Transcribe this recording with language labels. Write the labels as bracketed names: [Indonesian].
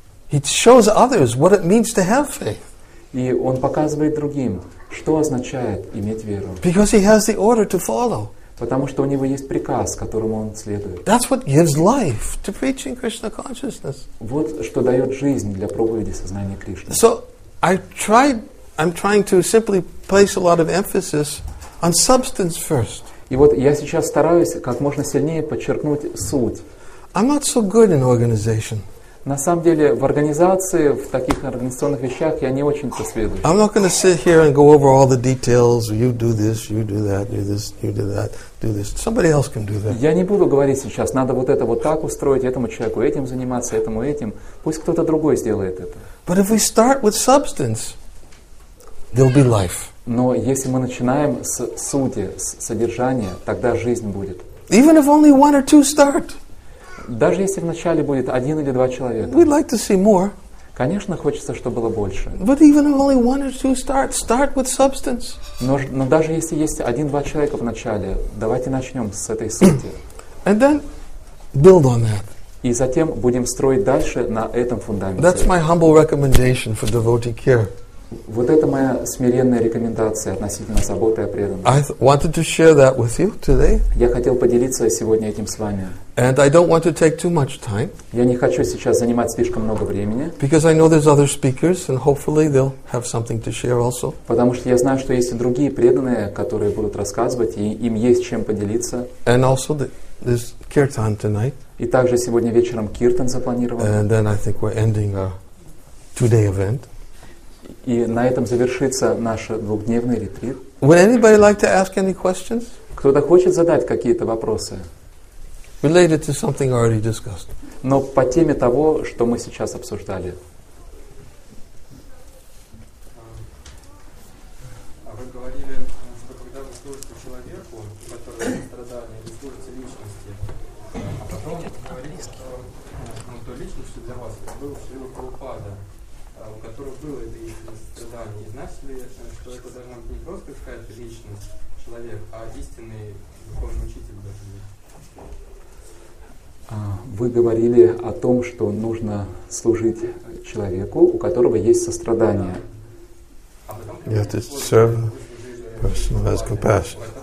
[English] He shows others what it means to have faith. [Russian] И он показывает другим, что означает иметь веру. [English] Because he has the order to follow. [Russian] Потому что у него есть приказ, которому он следует. [English] That's what gives life to preaching Krishna consciousness. [Russian] Вот что дает жизнь для проповеди сознания Кришны. [English] So I'm trying to simply place a lot of emphasis on substance first. [Russian] И вот я сейчас стараюсь как можно сильнее подчеркнуть суть. [English] I'm not so good in organization. [Russian] На самом деле, в организации, в таких организационных вещах я не очень-то сведущ. [English] I'm not going to sit here and go over all the details. You do this, you do that, you do this, you do that, do this. Somebody else can do that. [Russian] Я не буду говорить сейчас, надо вот это вот так устроить, этому человеку этим заниматься, этому этим. Пусть кто-то другой сделает это. [English] But if we start with substance, there'll be life. [Russian] Но если мы начинаем с сути, с содержания, тогда жизнь будет. [English] Even if only one or two start. [Russian] Даже если вначале будет один или два человека. [English] We'd like to see more. [Russian] Конечно, хочется, чтобы было больше. [English] But even if only one or two start, start with substance. [Russian] Но даже если есть один-два человека вначале, давайте начнем с этой сути. [English] And then build on that. [Russian] И затем будем строить дальше на этом фундаменте. [English] That's my humble recommendation for devotee care. [Russian] Вот это моя смиренная рекомендация относительно заботы о преданном. [English] I wanted to share that with you today. [Russian] Я хотел поделиться сегодня этим с вами. [English] And I don't want to take too much time. [Russian] Я не хочу сейчас занимать слишком много времени. [English] Because I know there's other speakers, and hopefully they'll have something to share also. [Russian] Потому что я знаю, что есть и другие преданные, которые будут рассказывать, и им есть чем поделиться. [English] And also there's kirtan tonight. [Russian] И также сегодня вечером киртан запланирован. [English] And then I think we're ending a two-day event. [Russian] И на этом завершится наш двухдневный ретрит. [English] Would anybody like to ask any questions? [Russian] Кто-то хочет задать какие-то вопросы? [English] Related to something already discussed. [Russian] Но по теме того, что мы сейчас обсуждали. А вы говорили, что когда вы служите человеку, который страдает, вы служите личности, а потом говорили, что то личностью для вас был Шрила Прабхупада, у которого было это страдание. И значит ли, что это должна быть не просто какая-то личность, человек, а истинный духовный учитель даже есть? Вы говорили о том, что нужно служить человеку, у которого есть сострадание. [English] You have to serve a person who has compassion.